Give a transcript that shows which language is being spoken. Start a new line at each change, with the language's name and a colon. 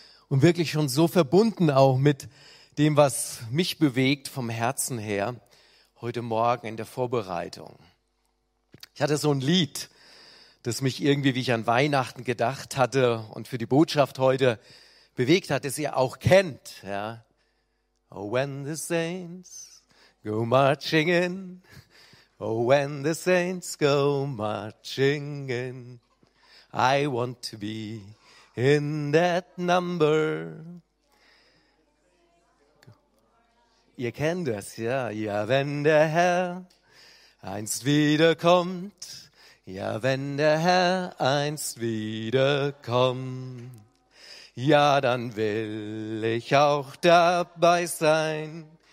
German: Und wirklich schon so verbunden auch mit dem, was mich bewegt vom Herzen her, heute Morgen in der Vorbereitung. Ich hatte so ein Lied, das mich irgendwie, wie ich an Weihnachten gedacht hatte und für die Botschaft heute bewegt hat, das ihr auch kennt. Ja.
English: Oh, when the saints go marching in, oh, when the saints go marching in, I want to be in that number.
German: Ihr kennt das, ja. Ja, wenn der Herr einst wiederkommt, ja, wenn der Herr einst wiederkommt, ja, dann will ich auch dabei sein.